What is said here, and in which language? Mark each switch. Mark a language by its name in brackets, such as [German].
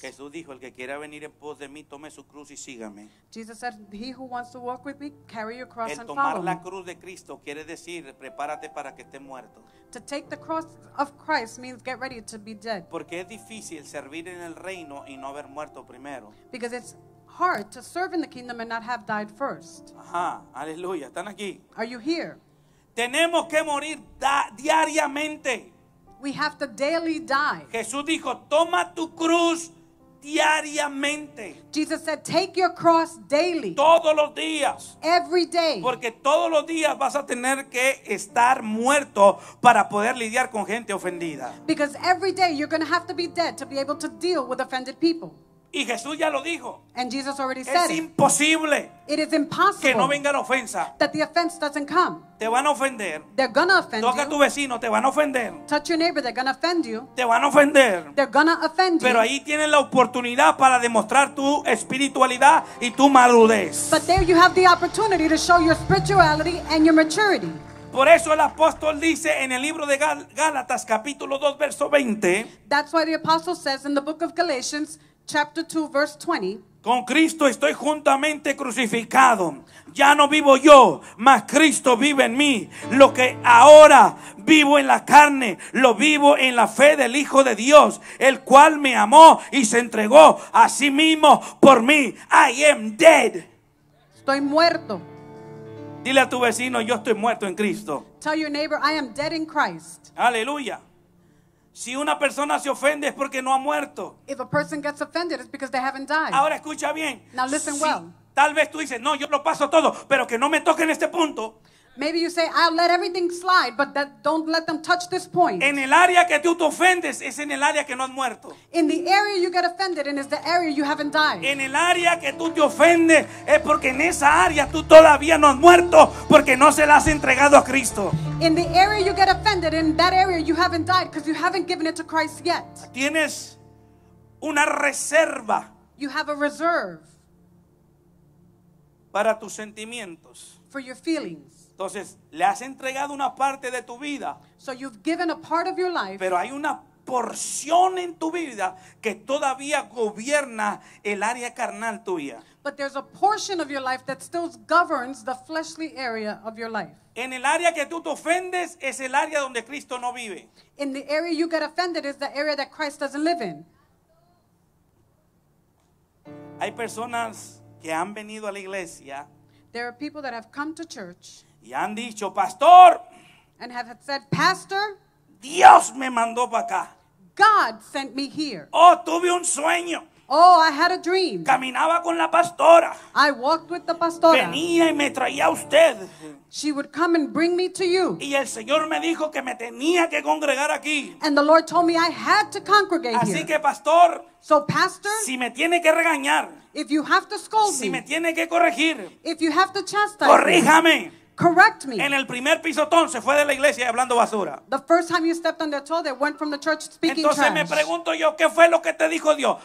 [Spanish] Jesús dijo, el que quiera venir en pos de mí, tome su cruz y sígame. [English] Jesus said, he who wants to walk with me, carry your cross [Spanish] el [English] and follow me. [Spanish] Tomar la cruz de Cristo quiere decir, prepárate para que esté muerto. [English] To take the cross of Christ means get ready to be dead. [Spanish] Porque es difícil servir en el reino y no haber muerto primero. [English] Because it's hard to serve in the kingdom and not have died first. [Spanish] Ajá, aleluya, están aquí. [English] Are you here? [Spanish] Tenemos que morir diariamente. [English] We have to daily die. [Spanish] Jesús dijo, toma tu cruz diariamente. [English] Jesus said, take your cross daily. [Spanish] Todos los días. [English] Every day. [Spanish] Porque todos los días vas a tener que estar muerto para poder lidiar con gente ofendida. [English] Because every day you're going to have to be dead to be able to deal with offended people. [Spanish] Y Jesús ya lo dijo. [English] And Jesus already [Spanish] es [English] said [Spanish] imposible. [English] It is impossible [Spanish] que no venga la ofensa. [English] That the offense doesn't come. [Spanish] Te van a ofender. [English] They're gonna offend [Spanish] toca A tu vecino, te van a ofender. [English] Touch your neighbor, they're gonna offend you. [Spanish] Te van a ofender. [English] They're gonna offend you. [Spanish] Pero ahí tienes la oportunidad para demostrar tu espiritualidad y tu madurez. [English] But there you have the opportunity to show your spirituality and your maturity. [Spanish] Por eso el apóstol dice en el libro de Gálatas capítulo 2 verso 20. [English] That's why the apostle says in the book of Galatians chapter 2 verse 20. [Spanish] Con Cristo estoy juntamente crucificado. Ya no vivo yo, mas Cristo vive en mí. Lo que ahora vivo en la carne, lo vivo en la fe del Hijo de Dios, el cual me amó y se entregó a sí mismo por mí. [English] I am dead. [Spanish] Estoy muerto. Dile a tu vecino, yo estoy muerto en Cristo. [English] Tell your neighbor, I am dead in Christ. [Spanish] Aleluya. Si una persona se ofende es porque no ha muerto. [English] If a person gets offended, it's because they haven't died. [Spanish] Ahora escucha bien. [English] Now listen [Spanish] si, [English] well. [Spanish] Tal vez tú dices, no, yo lo paso todo, pero que no me toquen este punto. [English] Maybe you say, I'll let everything slide, but that, don't let them touch this point. [Spanish] En el área que tú te ofendes, es en el área que no has muerto. [English] In the area you get offended, and it's the area you haven't died. [Spanish] En el área que tú te ofendes, es porque en esa área tú todavía no has muerto, porque no se la has entregado a Cristo. [English] In the area you get offended, in that area you haven't died, because you haven't given it to Christ yet. [Spanish] Tienes una reserva. [English] You have a reserve. [Spanish] Para tus sentimientos. [English] For your feelings. [Spanish] Entonces, le has entregado una parte de tu vida. [English] So you've given a part of your life. [Spanish] Pero hay una porción en tu vida que todavía gobierna el área carnal tuya. [English] But there's a portion of your life that still governs the fleshly area of your life. [Spanish] En el área que tú te ofendes es el área donde Cristo no vive. [English] In the area you get offended is the area that Christ doesn't live in. [Spanish] Hay personas que han venido a la iglesia. [English] There are people that have come to church. [Spanish] Y han dicho, pastor, [English] and have said, pastor, [Spanish] Dios me mandó para acá. [English] God sent me here. [Spanish] Oh, tuve un sueño. [English] Oh, I had a dream. [Spanish] Caminaba con la pastora. [English] I walked with the pastora. [Spanish] Venía y me traía a usted. [English] She would come and bring me to you. [Spanish] Y el Señor me dijo que me tenía que congregar aquí. [English] And the Lord told me I had to congregate [Spanish] así [English] here. [Spanish] Así que, pastor, [English] so, pastor, [Spanish] si me tiene que regañar, [English] if you have to scold [Spanish] si me tiene que corregir, [English] if you have to chastise, [Spanish] corríjame. [English] Correct me. [Spanish] En el primer pisotón se fue de la iglesia hablando basura. [English] The first time you stepped on their toe, they went from the church speaking [Spanish] entonces [English] trash. [Spanish] Me pregunto yo, ¿qué fue lo que te dijo Dios?